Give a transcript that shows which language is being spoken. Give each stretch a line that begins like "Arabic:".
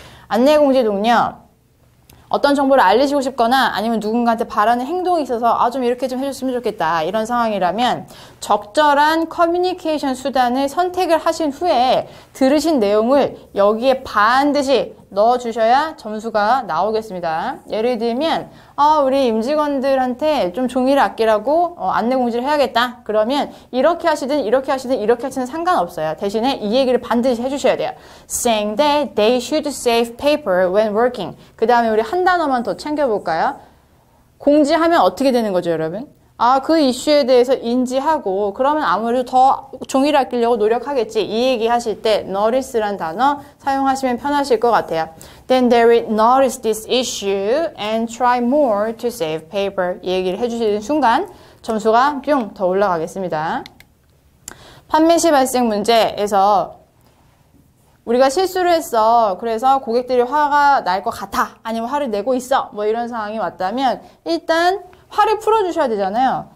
Korean: 안내 공지동요. 어떤 정보를 알리시고 싶거나 아니면 누군가한테 바라는 행동이 있어서 아좀 이렇게 좀 해줬으면 좋겠다 이런 상황이라면 적절한 커뮤니케이션 수단을 선택을 하신 후에 들으신 내용을 여기에 반드시 넣어주셔야 점수가 나오겠습니다. 예를 들면 우리 임직원들한테 좀 종이를 아끼라고 안내 공지를 해야겠다. 그러면 이렇게 하시든 이렇게 하시든 이렇게 하시든 상관없어요. 대신에 이 얘기를 반드시 해주셔야 돼요.
English: Saying that they should save paper when working.
Korean: 그 다음에 우리 한 단어만 더 챙겨볼까요? 공지하면 어떻게 되는 거죠, 여러분? 아, 그 이슈에 대해서 인지하고 그러면 아무래도 더 종이를 아끼려고 노력하겠지. 이 얘기 하실 때 notice란 단어 사용하시면 편하실 것 같아요.
English: Then they will notice this issue and try more to save paper.
Korean: 이 얘기를 해주시는 순간 점수가 뿅더 올라가겠습니다. 판매 시 발생 문제에서 우리가 실수를 했어. 그래서 고객들이 화가 날것 같아. 아니면 화를 내고 있어. 뭐 이런 상황이 왔다면 일단 화를 풀어주셔야 되잖아요.